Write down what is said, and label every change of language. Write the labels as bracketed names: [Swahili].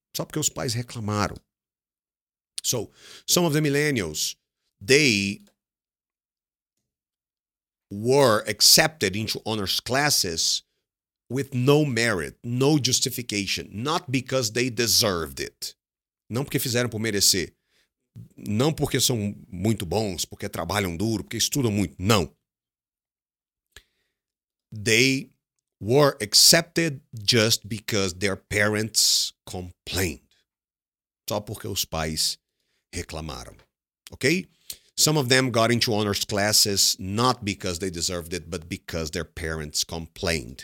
[Portuguese] Só porque os pais reclamaram. [English] So, some of the millennials, they were accepted into honors classes with no merit, no justification, not because they deserved it. [Portuguese] Não porque fizeram por merecer. Não porque são muito bons, porque trabalham duro, porque estudam muito. Não. [English] They were accepted just because their parents complained. [Portuguese] Só porque os pais reclamaram. [English] Ok? Some of them got into honors classes not because they deserved it, but because their parents complained.